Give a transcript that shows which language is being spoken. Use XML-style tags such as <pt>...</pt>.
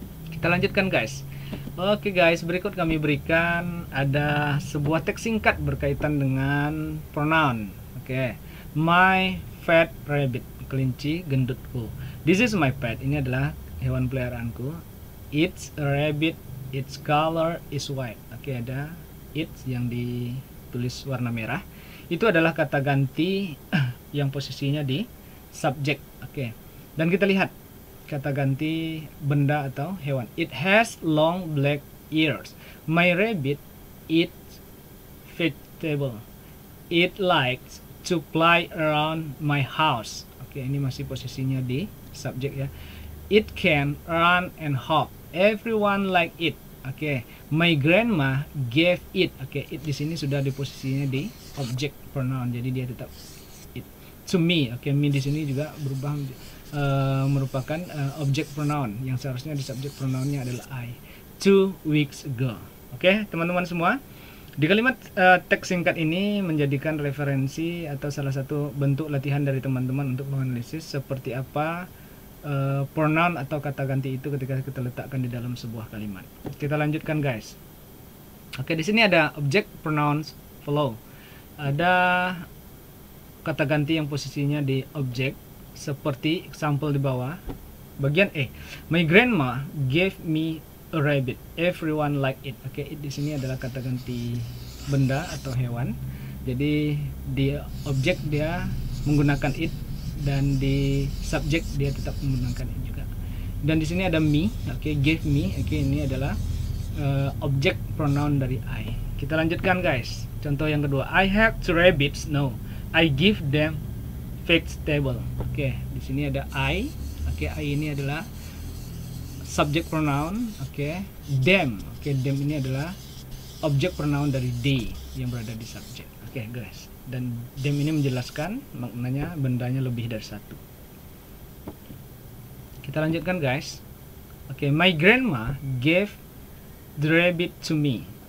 <id>Kita lanjutkan guys. Oke guys, berikut kami berikan ada sebuah teks singkat berkaitan dengan pronoun.</id> <en>Oke, my fat rabbit,</en> <id>kelinci gendutku.</id> <en>This is my pet,</en> <id>ini adalah hewan peliharaanku.</id> <en>It's a rabbit, its color is white.</en> <id>Oke, ada it's yang ditulis warna merah. Itu adalah kata ganti yang posisinya di subject. Oke, dan kita lihat kata ganti benda atau hewan.</id> <en>It has long black ears. My rabbit eats vegetable. It likes to play around my house. Oke, ini masih posisinya di subject ya. It can run and hop. Everyone like it. Oke, my grandma gave it.</en> <id>Oke, it di sini sudah di posisinya di object pronoun. Jadi dia tetap it to me. Oke, me di sini juga berubah merupakan object pronoun yang seharusnya di subject pronounnya adalah I.</id> <en>2 weeks ago.</en> <id>Oke, teman-teman semua, di kalimat teks singkat ini menjadikan referensi atau salah satu bentuk latihan dari teman-teman untuk menganalisis seperti apa pronoun atau kata ganti itu ketika kita letakkan di dalam sebuah kalimat. Kita lanjutkan guys. Oke, di sini ada object pronoun follow. Ada kata ganti yang posisinya di object. Seperti example di bawah bagian A.</id> <en>My grandma gave me a rabbit. Everyone like it.</en> <id>Oke, okay, it di sini adalah kata ganti benda atau hewan. Jadi di objek dia menggunakan it dan di subjek dia tetap menggunakan it juga. Dan di sini ada me. Oke, okay, gave me. Oke, okay, ini adalah objek pronoun dari I. Kita lanjutkan guys. Contoh yang kedua.</id> <en>I have 2 rabbits. No, I give them vegetable.</en> <id>Oke, okay, di sini ada I. Oke, okay, I ini adalah subject pronoun. Oke, okay, them. Oke, okay, them ini adalah object pronoun dari they yang berada di subject. Oke, okay, guys. Dan them ini menjelaskan maknanya bendanya lebih dari satu. Kita lanjutkan, guys.</id> <en>Oke, okay, my grandma gave the rabbit to me.</en>